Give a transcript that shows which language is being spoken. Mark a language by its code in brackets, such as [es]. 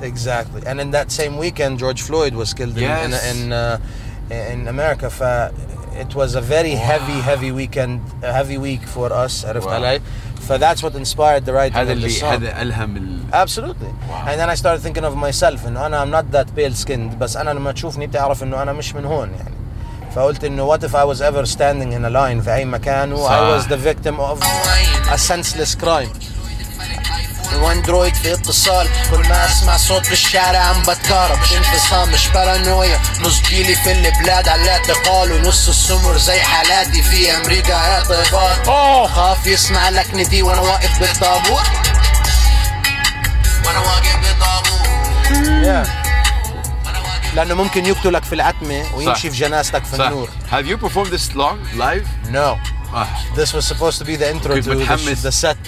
[en] exactly and in that same weekend George Floyd was killed yes. in America ف it was a very wow. heavy weekend a heavy week for us عرفت wow. علي so that's what inspired the writing of the song [ar] هذا ألهم ال... [en] absolutely wow. and then I started thinking of myself and أنا I'm not that pale skinned [ar] بس أنا لما تشوفني بتعرف إنه أنا مش من هون يعني فقلت إنه [en] what if I was ever standing in a line [ar] في أي مكان [en] و I was the victim of a senseless crime [ar] الاندرويد في اتصال كل ما اسمع صوت بالشارع عم بتكارب انفصام مش بارانويا نص جيلي في البلاد على اعتقال ونص السمر زي حالاتي في امريكا اعتبار خاف يسمع لك ندي وانا واقف بالطابور وانا واقف بالطابور لانه ممكن يقتلك في العتمة ويمشي في جنازتك في النور [en] Have you performed this long live? No This was supposed to be the intro to the set.